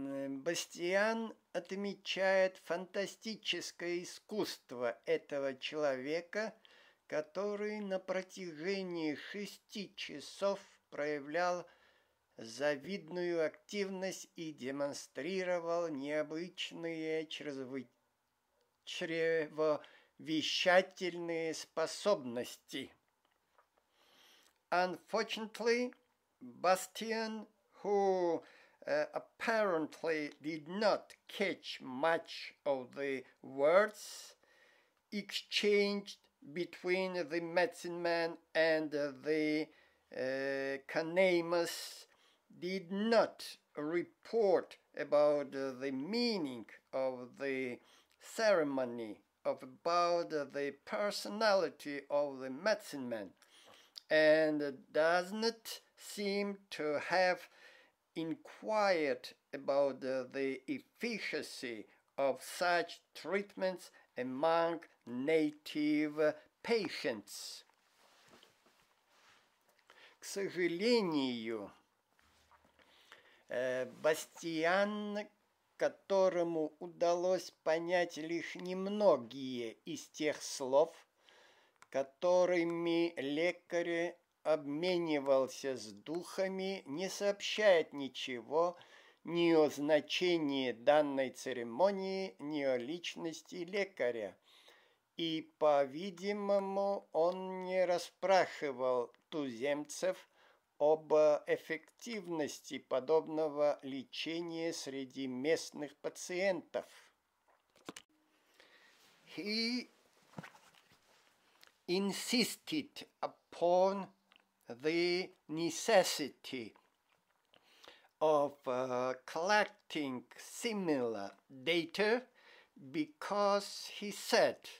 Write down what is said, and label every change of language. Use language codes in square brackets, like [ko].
[ru] Бастиан отмечает фантастическое искусство этого человека, который на протяжении 6 часов проявлял завидную активность и демонстрировал необычные чревовещательные способности. [en] Unfortunately, Bastian, who apparently did not catch much of the words exchanged between the medicine man and the Canamus, did not report about the meaning of the ceremony, about the personality of the medicine man, and does not seem to have inquired about the efficacy of such treatments among native patients. [ru] К сожалению, Бастиан, которому удалось понять лишь немногие из тех слов, которыми лекарь обменивался с духами, не сообщает ничего ни о значении данной церемонии, ни о личности лекаря. И, по-видимому, он не расспрашивал туземцев об эффективности подобного лечения среди местных пациентов. [en] He insisted upon the necessity of collecting similar data because he said